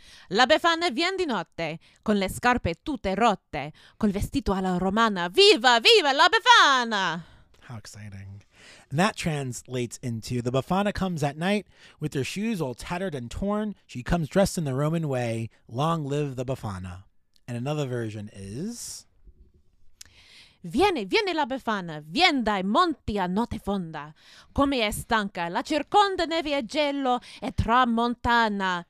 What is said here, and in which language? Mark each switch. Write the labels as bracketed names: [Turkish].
[Italian] La Befana vien di notte, con le scarpe tutte rotte, col vestito alla romana, viva, viva la Befana! [English] How exciting. And that translates into, the Befana comes at night, with her shoes all tattered and torn, she comes dressed in the Roman way, long live the Befana. And another version is... [Italian] Viene, viene la Befana, vien dai monti a notte fonda, come è stanca, la circonda neve e gelo e tramontana.